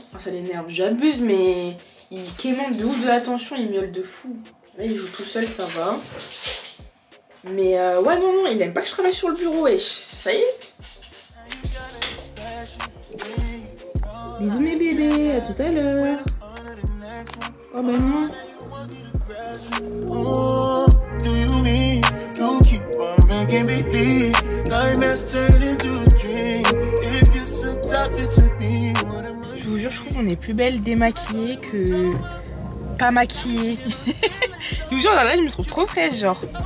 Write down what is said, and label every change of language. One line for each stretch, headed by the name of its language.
French: Enfin, ça l'énerve, j'abuse, mais il quémande de ouf de l'attention, il miaule de fou. Là, il joue tout seul, ça va. Mais ouais, non, il aime pas que je travaille sur le bureau, wesh. Ça y est. Bisous, mes bébés, à tout à l'heure. Oh, ben non.
English: Do you mean you keep on making me bleed? Nightmares turn into a dream. If you're so toxic to me, what am I?
French: Je vous jure, je trouve qu'on est plus belle démaquillée que pas maquillée. Genre là, je me trouve trop fraîche, genre.